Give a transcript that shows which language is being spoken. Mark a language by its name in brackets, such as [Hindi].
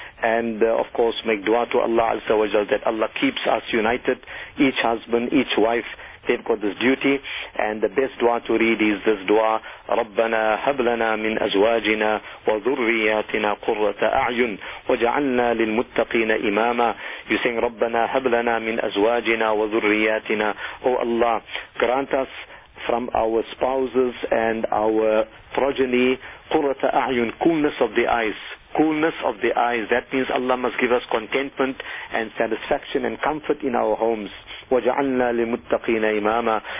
[English] And of course, make dua to Allah Azza wa Jal that Allah keeps us united, each husband, each wife. They've got this duty, and the best dua to read is this dua, [Arabic] رَبَّنَا هَبْلَنَا مِنْ أَزْوَاجِنَا وَذُرِّيَاتِنَا قُرَّةَ أَعْيُنْ وَجَعَلْنَا لِلْمُتَّقِينَ إِمَامًا. [English] You're saying, [Arabic] رَبَّنَا هَبْلَنَا مِنْ أَزْوَاجِنَا وَذُرِّيَاتِنَا. [English] Oh Allah, grant us from our spouses and our progeny [Arabic] قُرَّةَ أَعْيُنْ, [English] coolness of the eyes. Coolness of the eyes, that means Allah must give us contentment and satisfaction and comfort in our homes. [Arabic] وَجَعَلْنَا لِمُتَّقِينَ إِمَامًا.